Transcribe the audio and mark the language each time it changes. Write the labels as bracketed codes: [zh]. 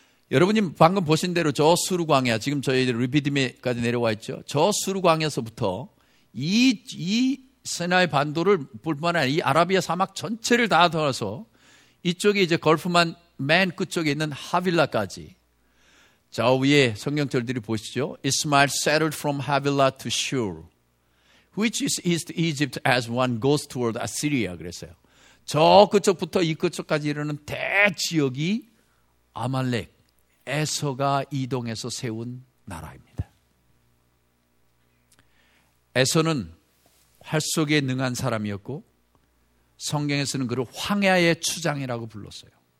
[ko] 여러분이 방금 보신 대로 저 수르광야, 지금 저희 르비딤에까지 내려와 있죠. 저 수르광야에서부터 이 시나이 반도를 뿐만 아니라 이 아라비아 사막 전체를 다 돌아서 이쪽에 이제 걸프만 맨 끝쪽에 있는 하빌라까지 저 위에 성경절들이 보시죠. [en] Ismail settled from Havilah to Shur, which is East Egypt as one goes toward Assyria. [ko] 그랬어요. 저 끝쪽부터 이 끝쪽까지 이르는 대지역이 아말렉, 에서가 이동해서 세운 나라입니다. 에서는 활쏘기에 능한 사람이었고 성경에서는 그를 황야의 추장이라고 불렀어요.